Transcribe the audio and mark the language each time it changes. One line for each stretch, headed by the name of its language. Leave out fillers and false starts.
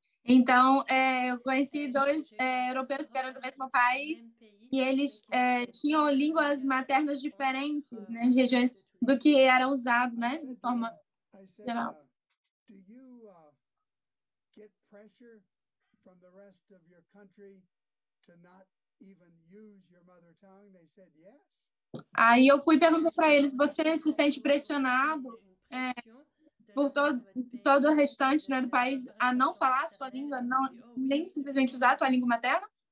Portuguese: Então, eu conheci dois europeus que eram do mesmo país e eles tinham línguas maternas diferentes, né, de regiões do que era usado, né, de forma geral.
English: Do you get pressure from the rest of your country to not even use your mother tongue? They said yes.
Portuguese: Aí eu fui perguntar para eles, você se sente pressionado? Por todo o restante, né, do país, a não falar a sua língua, não, nem simplesmente usar a tua língua materna?